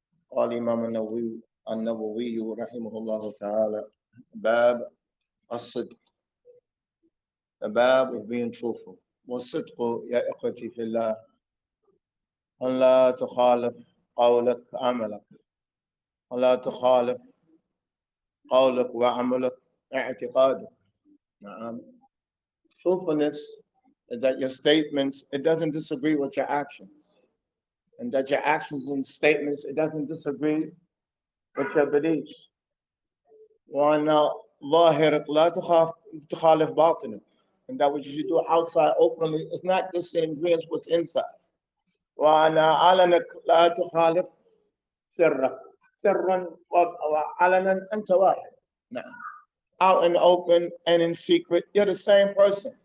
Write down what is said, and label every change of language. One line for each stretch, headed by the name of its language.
Arabic: قال الإمام النووي رحمه الله تعالى: باب الصدق. باب بين شوفه. والصدق يا إخوتي في الله أن لا تخالف قولك عملك، أن لا تخالف قولك وعملك اعتقادك.
English: نعم، truthfulness is that your statements, it doesn't disagree with your actions. And that your actions and statements, it doesn't disagree with your beliefs.
Arabic: وأن ظاهرك لا تخالف باطنك.
English: And that which you do outside openly is not disagreeing with what's inside.
Arabic: وأن أعلنك لا تخالف سرك. سرا وعلنا أنت واحد. نعم.
English: Out in open and in secret, you're the same person.